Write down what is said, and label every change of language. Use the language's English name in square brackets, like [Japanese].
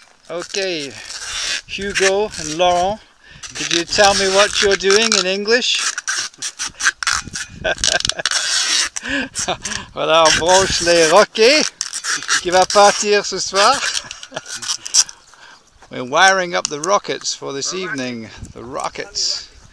[English] Okay, Hugo and Laurent, could you tell me what you're doing in English? [French] Voilà, on branche les roquets qui va partir ce soir. [English] We're wiring up the rockets for this evening, the rockets.